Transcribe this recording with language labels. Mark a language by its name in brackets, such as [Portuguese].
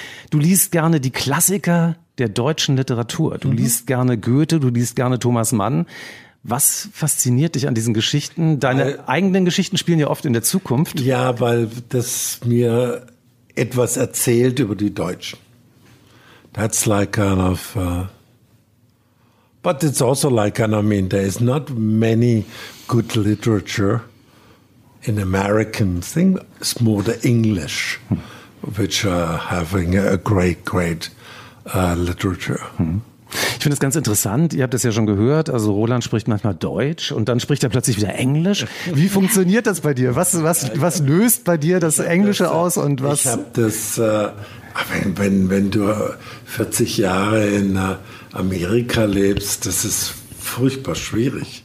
[German] Du liest gerne die Klassiker der deutschen Literatur. Du liest gerne Goethe, du liest gerne Thomas Mann. Was fasziniert dich an diesen Geschichten? Deine eigenen Geschichten spielen ja oft in der Zukunft. Ja, weil das mir etwas erzählt über die Deutschen. [English] That's like kind of... But it's also like, and I mean, there is not many good literature in American thing. It's more the English, which are having a great, great literature. [German] Ich finde es ganz interessant. Ihr habt das ja schon gehört. Also Roland spricht manchmal Deutsch und dann spricht er plötzlich wieder Englisch. Wie funktioniert das bei dir? Was löst bei dir das Englische aus und was? Ich habe das, wenn du 40 Jahre in Amerika lebst, das ist furchtbar schwierig.